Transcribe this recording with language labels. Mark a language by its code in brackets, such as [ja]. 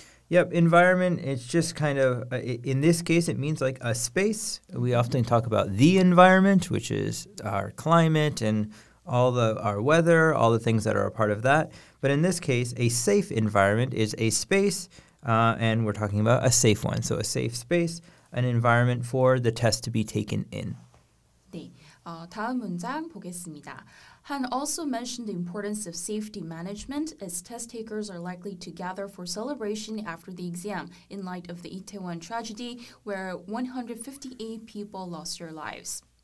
[en] Yep, environment, it's just kind of, in this case, it means like a space. We often talk about the environment, which is our climate and all the our weather, all the things that are a part of that. But in this case, a safe environment is a space, and we're talking about a safe one. So a safe space, an environment for the test to be taken in. [ko] 네, 다음 문장 보겠습니다. [en] Han also mentioned the importance of safety management as test takers are likely to gather for celebration after the exam in light of the Itaewon tragedy where 158 people lost their lives.